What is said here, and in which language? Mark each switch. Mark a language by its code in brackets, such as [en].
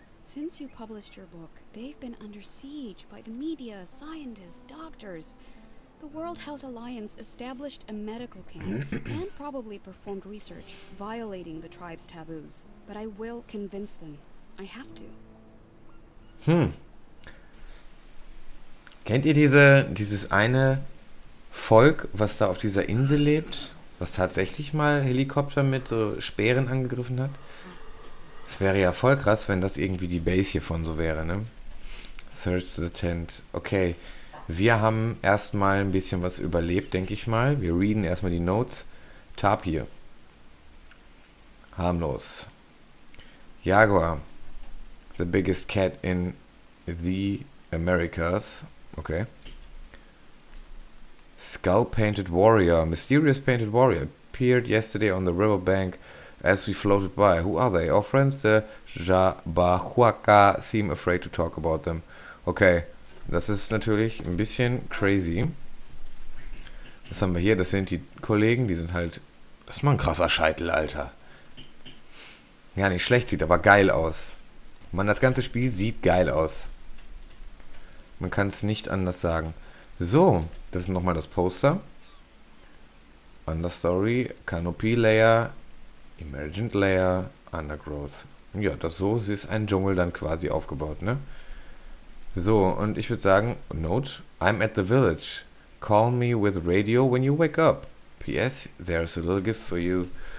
[en] Since you published your book, they've been under siege by the media, scientists, doctors. The World Health Alliance established a medical camp and probably performed research, violating the tribe's taboos. But I will convince them. I have to. Hm. [de] Kennt ihr dieses eine Volk, was da auf dieser Insel lebt, was tatsächlich mal Helikopter mit so Speeren angegriffen hat? Es wäre ja voll krass, wenn das irgendwie die Base hiervon so wäre, ne? [en] Search the tent. [de] Okay. Wir haben erstmal ein bisschen was überlebt, denke ich mal. Wir readen erstmal die Notes. Tapir. Harmlos. Jaguar. [en] The biggest cat in the Americas. Okay. Skull-painted warrior. Mysterious painted warrior. Appeared yesterday on the riverbank as we floated by. Who are they? Our friends, the Jabahuaca, seem afraid to talk about them. Okay. [de] Das ist natürlich ein bisschen crazy. Was haben wir hier? Das sind die Kollegen, die sind halt... Das ist mal ein krasser Scheitel, Alter. Ja, nicht schlecht, sieht aber geil aus. Mann, das ganze Spiel sieht geil aus. Man kann es nicht anders sagen. So, das ist nochmal das Poster. [en] Understory, Canopy Layer, Emergent Layer, Undergrowth. [de] Ja, das so, sie ist ein Dschungel dann quasi aufgebaut, ne? So, und ich würde sagen, [en] Note, I'm at the village. Call me with radio when you wake up. P.S. There's a little gift for you.